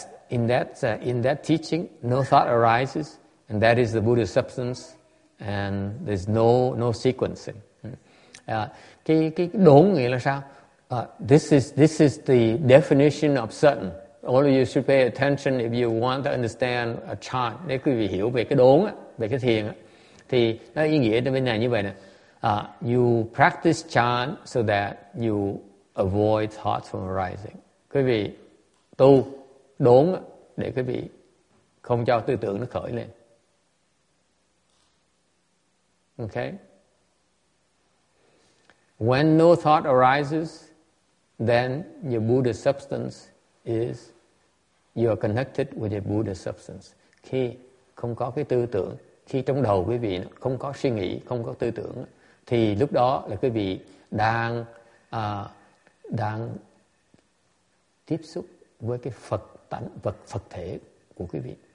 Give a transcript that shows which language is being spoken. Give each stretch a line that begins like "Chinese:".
English: In that teaching no thought arises and that is the Buddha's substance and there's no sequencing.
Vietnamese: Cái đốn nghĩa là sao?
English: This is the definition of certain. All of you should pay attention if you want to understand a chant.
Vietnamese: Nếu quý vị hiểu về cái đốn á, về cái thiền á, thì nó ý nghĩa trong bên này như vậy nè.
English: You practice chant so that you avoid thoughts from arising.
Vietnamese: Quý vị tu đốn á, để quý vị không cho tư tưởng nó khởi lên.
English: Okay? When no thought arises, then your Buddha substance is you are connected with your Buddha substance.
Vietnamese: Khi không có cái tư tưởng, khi trong đầu quý vị không có suy nghĩ, không có tư tưởng, thì lúc đó là quý vị đang đang tiếp xúc với cái Phật tánh, Phật thể của quý vị.